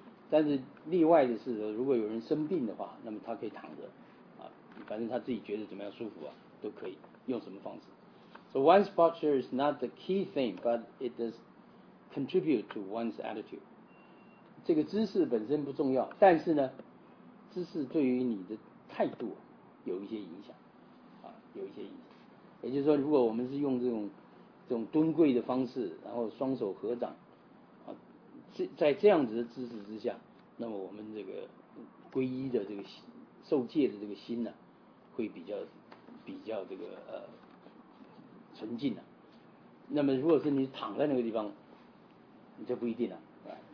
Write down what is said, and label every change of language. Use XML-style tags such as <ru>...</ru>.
<zh>但是例外的是，如果有人生病的话，那么他可以躺着，啊，反正他自己觉得怎么样舒服啊，都可以用什么方式。</zh> <en>So one's posture is not the key thing, but it does contribute to one's attitude.</en> <zh>这个姿势本身不重要，但是呢，姿势对于你的态度有一些影响，啊，有一些影响。也就是说，如果我们是用这种蹲跪的方式，然后双手合掌，啊，在这样子的姿势之下，那么我们这个皈依的这个受戒的这个心呢，会比较这个纯净的，啊。那么如果是你躺在那个地方，你就不一定了，啊。</zh>